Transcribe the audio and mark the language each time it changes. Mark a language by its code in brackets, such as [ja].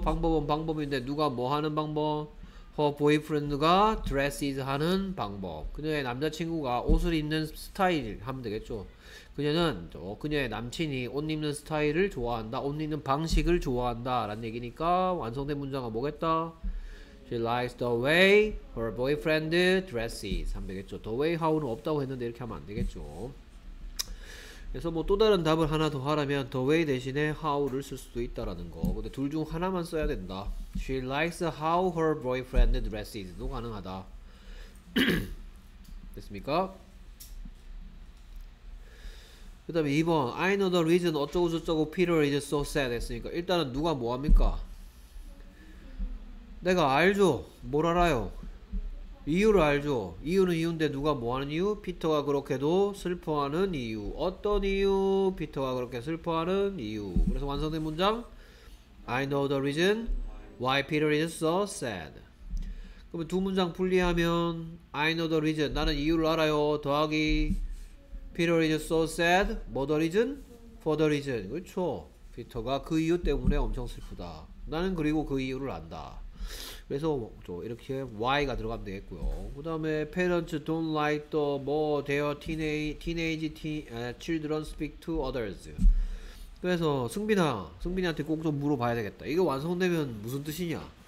[ko] 방법은 방법인데 누가 뭐 하는 방법? [en] Her boyfriend가 dresses [ko] 하는 방법. 그녀의 남자친구가 옷을 입는 스타일 하면 되겠죠. 그녀는 그녀의 남친이 옷 입는 스타일을 좋아한다. 옷 입는 방식을 좋아한다라는 얘기니까 완성된 문장은 뭐겠다? [en] She likes the way her boyfriend dresses [ko] 하면 되겠죠. The way how는 없다고 했는데 이렇게 하면 안 되겠죠. 그래서 뭐또 다른 답을 하나 더 하라면 the way 대신에 how를 쓸 수도 있다라는 거. 근데 둘중 하나만 써야 된다. [en] She likes how her boyfriend dresses도 [ko] 가능하다. 됐습니까? 그다음에 2번 [en] I know the reason [ko] 어쩌고저쩌고 [en] Peter is so sad [ko] 했으니까 일단은 누가 뭐합니까? 내가 알죠. 뭘 알아요? 이유를 알죠. 이유는 이유인데 누가 뭐 하는 이유? 피터가 그렇게도 슬퍼하는 이유. 어떤 이유? 피터가 그렇게 슬퍼하는 이유. 그래서 완성된 문장. [en] I know the reason why Peter is so sad. [ko] 그러면 두 문장 분리하면 [en] I know the reason. [ko] 나는 이유를 알아요. 더하기 [en] Peter is so sad. What the reason? For the reason. 그렇죠. [ko] 피터가 그 이유 때문에 엄청 슬프다. 나는 그리고 그 이유를 안다. 그래서 저 이렇게 Y가 들어가면 되겠고요. [en] 그 다음에 Parents don't like the 뭐 their children speak to others. [ko] 그래서 승빈이한테 꼭좀 물어봐야 되겠다. 이거 완성되면 무슨 뜻이냐?